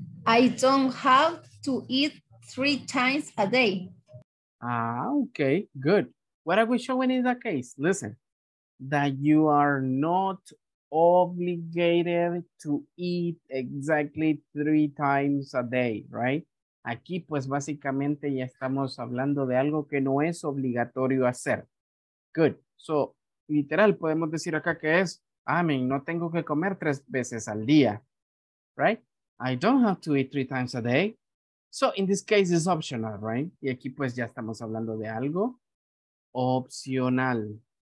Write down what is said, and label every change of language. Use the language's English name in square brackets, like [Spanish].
[English] I don't have to eat 3 times a day. Ah, okay, good. What are we showing in that case? Listen, that you are not obligated to eat exactly 3 times a day, right? [Spanish] Aquí, pues, básicamente ya estamos hablando de algo que no es obligatorio hacer. Good. So, literal, podemos decir acá que es Amén, no tengo que comer 3 veces al día, right? [English] I don't have to eat 3 times a day. So in this case, it's optional, right? [Spanish] Y aquí pues ya estamos hablando de algo opcional.